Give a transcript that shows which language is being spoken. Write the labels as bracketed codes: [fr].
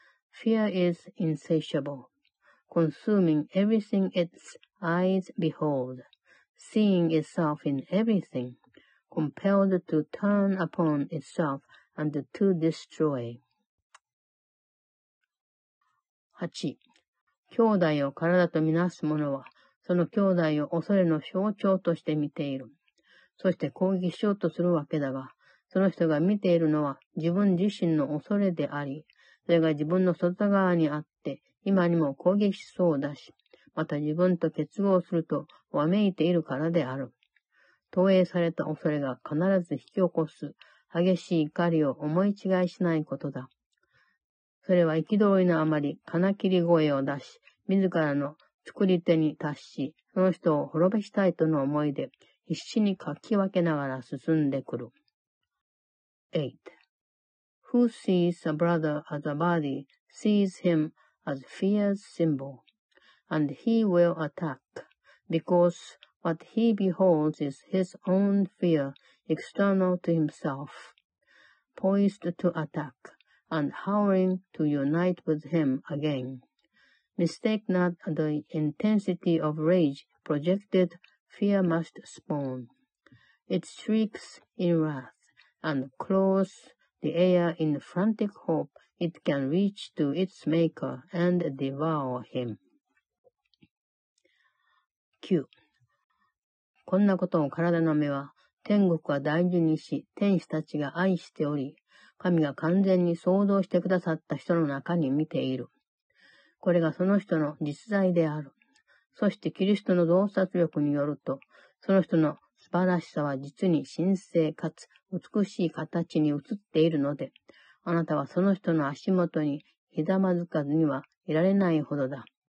[en] Fear is insatiable, consuming everything its eyes behold, seeing itself in everything, compelled to turn upon itself and to destroy. [ja] 8. 兄弟を体とみなす者は、その兄弟を恐れの象徴として見ている。そして攻撃しようとするわけだが、その人が見ているのは自分自身の恐れであり、それが自分の外側にあって、今にも攻撃しそうだし、また自分と結合すると、わめいているからである。投影された恐れが必ず引き起こす、激しい怒りを思い違いしないことだ。それは憤りのあまり、金切り声を出し、自らの作り手に達し、その人を滅べしたいとの思いで、必死にかき分けながら進んでくる。 [en] 8. Who sees a brother as a body sees him as fear's symbol, and he will attack, because what he beholds is his own fear external to himself, poised to attack. And howling to unite with him again. Mistake not the intensity of rage projected fear must spawn. It shrieks in wrath and claws the air in frantic hope it can reach to its maker and devour him. [ja] Q. こんなことを体の目は天国は大事にし天使たちが愛しており神が完全に創造してくださった人の中に見ている。これがその人の実在である。そしてキリストの洞察力によると、その人の素晴らしさは実に神聖かつ美しい形に映っているので、あなたはその人の足元にひざまずかずにはいられないほどだ。